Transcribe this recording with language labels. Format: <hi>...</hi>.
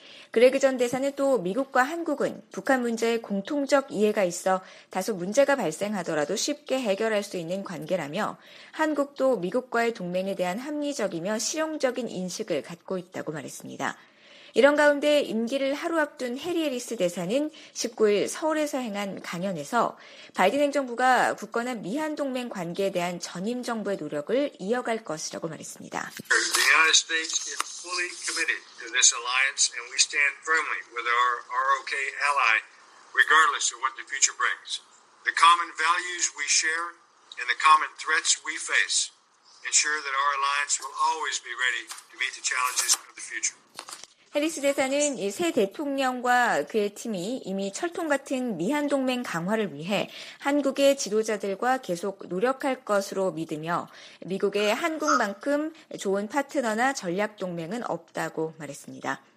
<ko>그레그 전 대사는 또 미국과 한국은 북한 문제에 공통적 이해가 있어 다소 문제가 발생하더라도 쉽게 해결할 수 있는 관계라며 한국도 미국과의 동맹에 대한 합리적이며 실용적인 인식을 갖고 있다고 말했습니다. 이런 가운데 임기를 하루 앞둔 해리 해리스 대사는 19일 서울에서 행한 강연에서 바이든 행정부가 굳건한 미한 동맹 관계에 대한 전임 정부의 노력을 이어갈 것이라고 말했습니다.</ko> <en>The United States is fully committed to this alliance and we stand firmly with our ROK ally regardless of what the future brings. The common values we share and the common threats we face ensure that our alliance will always be ready to meet the challenges of the future.</en> <ko>해리스 대사는 이 새 대통령과 그의 팀이 이미 철통 같은 미한 동맹 강화를 위해 한국의 지도자들과 계속 노력할 것으로 믿으며 미국의 한국만큼 좋은 파트너나 전략 동맹은 없다고 말했습니다.</ko>